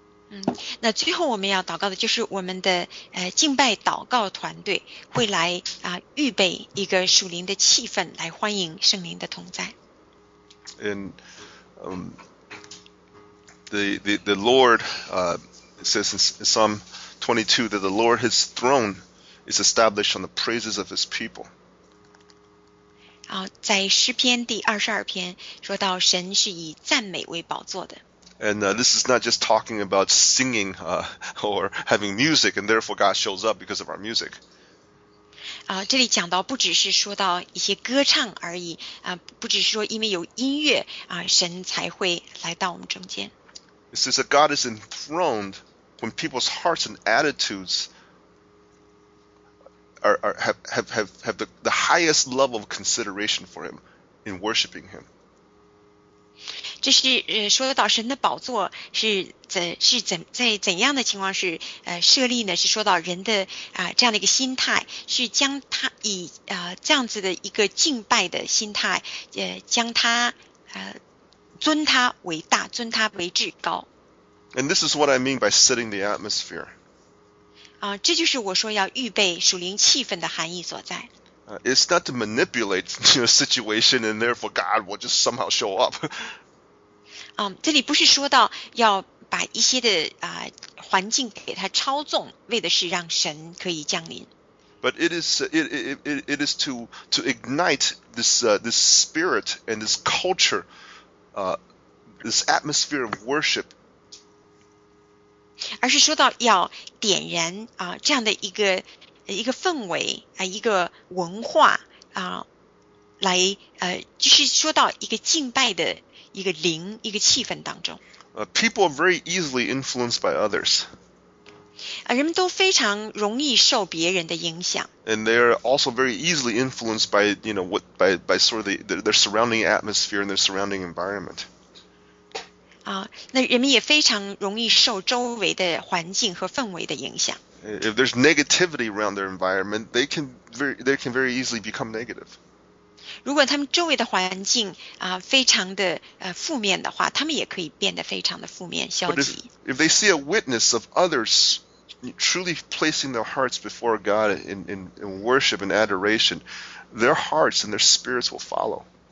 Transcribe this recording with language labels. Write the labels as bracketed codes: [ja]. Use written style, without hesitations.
[zh] 嗯，那最后我们要祷告的就是我们的敬拜祷告团队会来预备一个属灵的气氛来欢迎圣灵的同在。 [en] And the Lord says in Psalm 22 that the Lord His throne is established on the praises of His people. [zh] 在诗篇第22篇说到神是以赞美为宝座的。 [en] And this is not just talking about singing or having music, and therefore God shows up because of our music. [zh] 这里讲到不只是说到一些歌唱而已，不只是说因为有音乐神才会来到我们中间。 [en] It says that God is enthroned when people's hearts and attitudes have the highest level of consideration for Him in worshiping Him. [zh] 这是说到神的宝座是在怎样的情况是设立呢？是说到人的这样的一个心态，是将他以这样子的一个敬拜的心态，将他尊他为大，尊他为至高。 [en] And this is what I mean by setting the atmosphere. [zh] 这就是我说要预备属灵气氛的含义所在。 [en] It's not to manipulate your situation, and therefore God will just somehow show up. [zh] 这里不是说到要把一些的环境给它操纵，为的是让神可以降临。 [en] But it is to ignite this spirit and this culture, this atmosphere of worship. [zh] 而是说到要点燃这样的一个氛围一个文化来就是说到一个敬拜的。一个灵，一个气氛当中。 [en] People are very easily influenced by others. [zh] 人们都非常容易受别人的影响。 [en] And they are also very easily influenced by, you know, what, by sort of their surrounding atmosphere and their surrounding environment. [zh] 那人们也非常容易受周围的环境和氛围的影响。 [en] If there's negativity around their environment, they can very easily become negative. [zh] 如果他们周围的环境非常的负面的话，他们也可以变得非常的负面消极。 [en] If they see a witness of others truly placing their hearts before God in worship and adoration, their hearts and their spirits will follow.